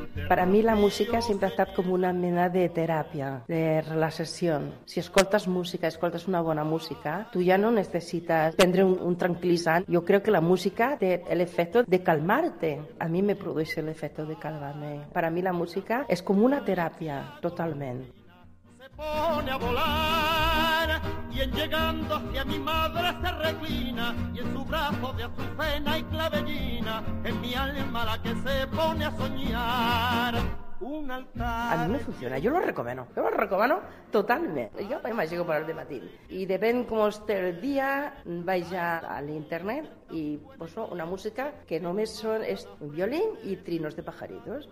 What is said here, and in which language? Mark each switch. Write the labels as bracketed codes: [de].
[ca] Per a mi la música sempre ha estat com una mena de teràpia, de relaxació. Si escoltes música, escoltes una bona música, tu ja no necessites prendre un tranquil·litzant. Jo crec que la música té l'efecte de calmar-te. A mi me produeix l'efecte de calmar-me. Per a mi la música és com una teràpia, totalment. [es] Se pone a volar y en llegando hacia mi madre se reclina y en su brazo de azucena y clavellina en mi alma la que se pone a soñar. [ca] A mi no funciona, jo lo recomano totalment. Jo m'aixeco per al dematí i depèn com esté el dia, vaig a l'internet i poso una música que només són és violín i [es] trinos de pajaritos.